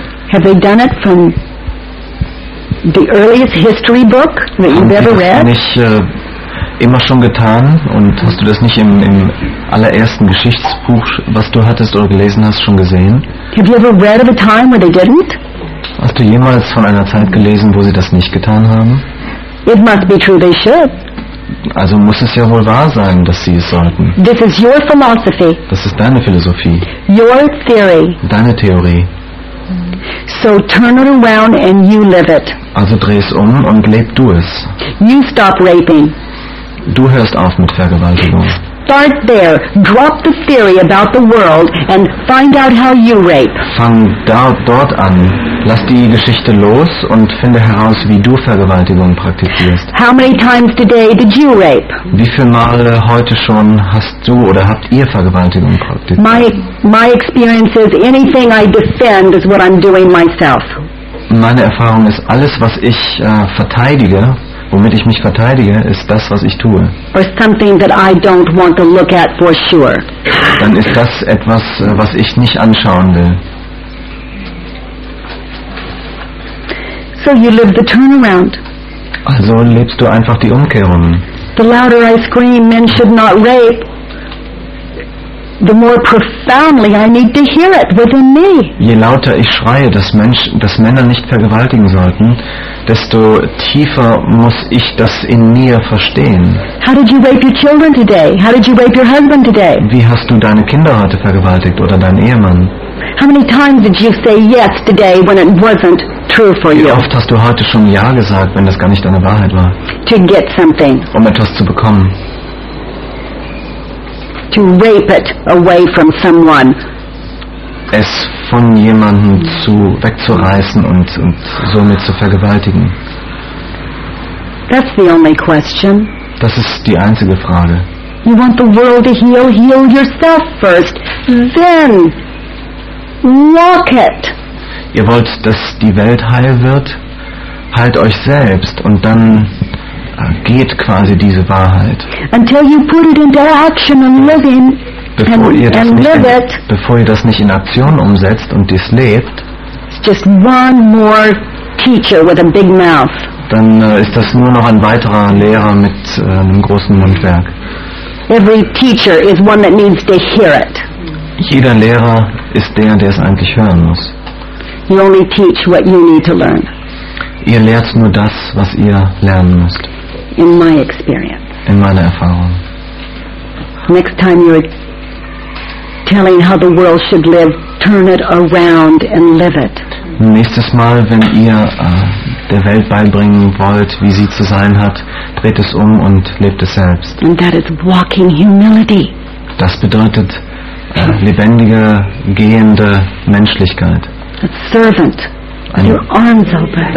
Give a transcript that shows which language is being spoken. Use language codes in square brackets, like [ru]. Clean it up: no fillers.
[en] Have they done it from the earliest history book that you've ever read? [de] Nicht immer schon getan und hast du das nicht im allerersten Geschichtsbuch, was du hattest oder gelesen hast, schon gesehen? [en] Have you ever read of a time where they didn't? [de] Hast du jemals von einer Zeit gelesen, wo sie das nicht getan haben? [en] It must be true they should. [de] Also muss es ja wohl wahr sein, dass sie es sollten. [en] This is your philosophy. [de] Das ist deine Philosophie. [en] Your theory. [de] Deine Theorie. [en] So turn it around and you live it. [de] Also dreh es um und leb du es. [en] You stop raping. [de] Du hörst auf mit Vergewaltigung. [en] Start there. Drop the theory about the world and find out how you rape. [de] Fang dort an. Lass die Geschichte los und finde heraus, wie du Vergewaltigung praktizierst. [en] How many times today did you rape? [de] Wie viele Male heute schon hast du oder habt ihr Vergewaltigung praktiziert? [en] My experience is anything I defend is what I'm doing myself. [de] Meine Erfahrung ist, alles, was ich verteidige, womit ich mich verteidige, ist das, was ich tue. [en] Or something that I don't want to look at for sure. [de] Dann ist das etwas, was ich nicht anschauen will. [en] So you live the turnaround. [de] Also lebst du einfach die Umkehrung. [en] The louder I scream, men should not rape, the more profoundly I need to hear it within me. [de] Je lauter ich schreie, dass Männer nicht vergewaltigen sollten, desto tiefer muss ich das in mir verstehen. [en] How did you rape your children today? How did you rape your husband today? [de] Wie hast du deine Kinder heute vergewaltigt oder deinen Ehemann? [en] How many times did you say yes today when it wasn't true for you? [de] Wie oft hast du heute schon ja gesagt, wenn das gar nicht deine Wahrheit war? [en] To get something. [de] Um etwas zu bekommen. [en] To rape it away from someone. [de] Es von jemandem wegzureißen und somit zu vergewaltigen. [en] That's the only question. [de] Das ist die einzige Frage. [en] You want the world to heal? Heal yourself first. Then walk it. [de] Ihr wollt, dass die Welt heil wird? Heilt euch selbst und dann geht quasi diese Wahrheit. [en] Until you put it into action and living, [de] bevor ihr das nicht in Aktion umsetzt und dies lebt, [en] just one more teacher with a big mouth. [de] Dann ist das nur noch ein weiterer Lehrer mit einem großen Mundwerk. [en] Every teacher is one that needs to hear it. [de] Jeder Lehrer ist der es eigentlich hören muss. [en] You only teach what you need to learn. [de] Ihr lehrt nur das, was ihr lernen müsst. [en] In my experience. [de] In meiner Erfahrung. [en] Next time you're telling how the world should live, turn it around and live it. [de] Nächstes Mal, wenn ihr der Welt beibringen wollt, wie sie zu sein hat, dreht es um und lebt es selbst. [en] And that is walking humility. [de] Das bedeutet lebendige, gehende Menschlichkeit. [en] A servant. Your arms open.